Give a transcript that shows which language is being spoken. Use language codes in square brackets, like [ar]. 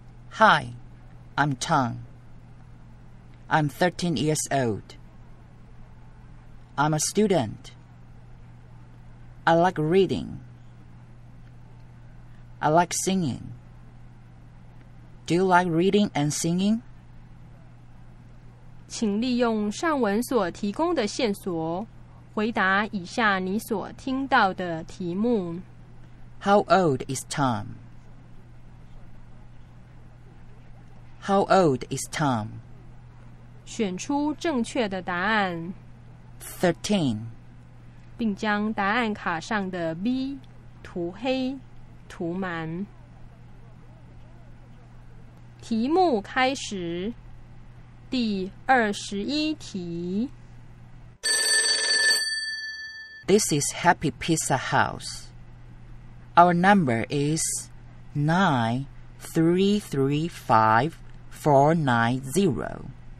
[en] Hi, I'm Tang. I'm 13 years old. I'm a student. I like reading. I like singing. Do you like reading and singing? [zh] 请利用上文所提供的线索回答以下你所听到的题目。 [en] How old is Tom? How old is Tom? [zh] 选出正确的答案 [en] 13 [zh] 并将答案卡上的 B 涂黑涂满题目开始第二十一题 [en] This is Happy Pizza House. Our number is 93354900.